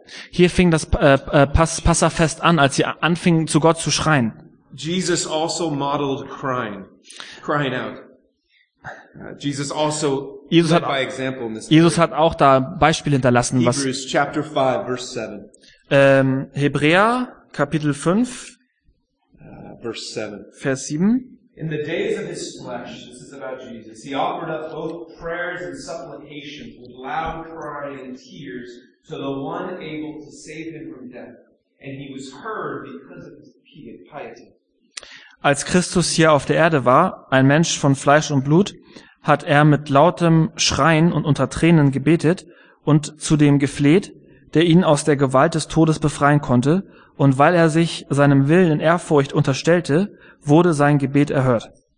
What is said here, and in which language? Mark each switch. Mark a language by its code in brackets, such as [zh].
[de] Hier fing das Passafest an, als sie anfingen, zu Gott zu schreien. [en] Jesus also modeled crying out. Jesus also [de] Jesus hat, [en] by example in this [de] Jesus hat auch da Beispiel hinterlassen, was [en] Hebrews chapter 5, verse 7. [de] Hebräer Kapitel 5, Vers 7. [en] In the days of his flesh, this is about Jesus, he offered up both prayers and supplications with loud crying and tears to the one able to save him from death. And he was heard because of his piety. [de] Als Christus hier auf der Erde war, ein Mensch von Fleisch und Blut, hat er mit lautem Schreien und unter Tränen gebetet und zu dem gefleht, der ihn aus der Gewalt des Todes befreien konnte, und weil er sich seinem Willen in Ehrfurcht unterstellte, wurde sein Gebet erhört.